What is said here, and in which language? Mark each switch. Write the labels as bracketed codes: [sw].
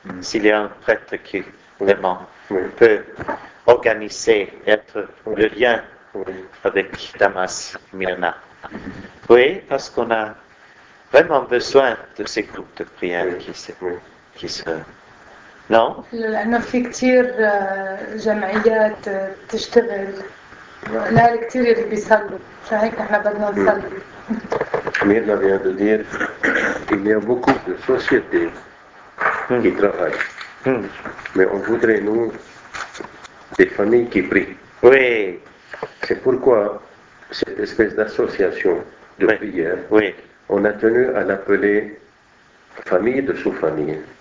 [fr] S'il y a un prêtre qui vraiment peut organiser, être le lien avec Damas Myrna. Oui, parce qu'on a vraiment besoin de ces groupes de prière qui se. Non. [ar] لأن في كتير جمعيات تشتغل لا الكتير اللي بيصلوا فهيك إحنا بدنا نصلي. [fr] Mirna vient de dire qu'il y a beaucoup de sociétés qui travaillent, mais on voudrait nous des familles qui prient. Oui. C'est pourquoi cette espèce d'association de prière, on a tenu à l'appeler famille de sous-famille.